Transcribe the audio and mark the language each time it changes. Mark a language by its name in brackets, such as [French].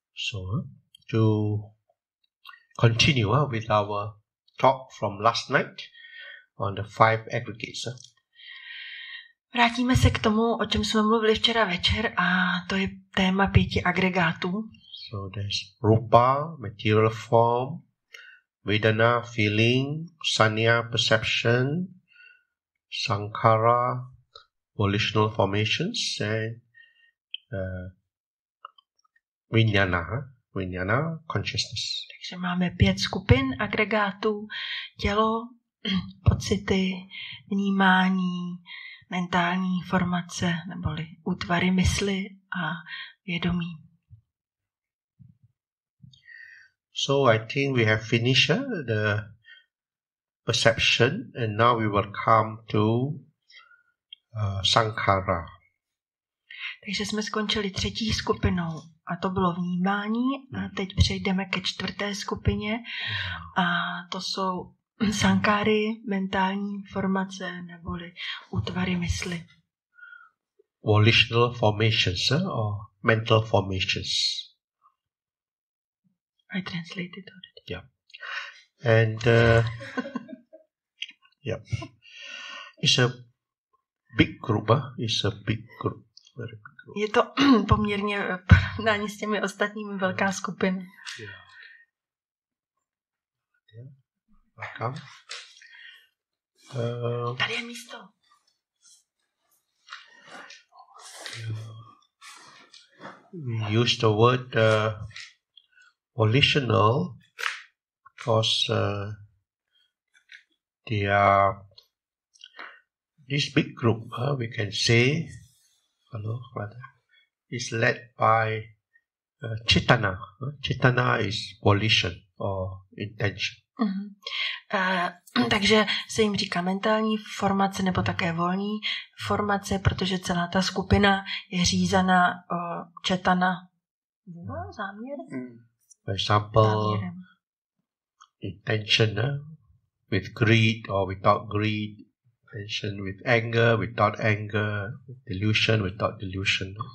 [English] So to continue with our talk from last night on the five aggregates. [Czech] Vrátíme se k tomu, o čem jsme mluvili včera večer, a to je téma pěti agregátů. [English] So there's rupa, material form, vedana, feeling, sanya, perception, sankhara, volitional formations, and vijnana, consciousness. [Czech] Takže máme pět skupin agregátů, tělo, pocity, vnímání, mentální formace, neboli útvary mysli a vědomí. [English] So I think we have finished the perception and now we will come to sankhara. [Czech] Takže jsme skončili třetí skupinou a to bylo vnímání a teď přejdeme ke čtvrté skupině a to jsou sankáry, mentální formace neboli útvary mysli. [English] Volitional formations or mental formations. I translated already. Yeah. And yeah. It's a big group, it's a big group. Very big group. [Czech] Je to poměrně s těmi ostatními velká skupina. [English] Yeah. Yeah. Welcome. [Czech] Tady je místo. [English] We use the word volitional, because they are this big group. We can say, hello, brother, is led by chitana. Chitana is volition or intention. Mm-hmm. [Czech] Takže se jim říká mentální formace nebo také volní formace, protože celá ta skupina je řízena chitana. Vůle, záměr. Mm. [English] For example, intention with greed or without greed, intention with anger, without anger, delusion, without delusion.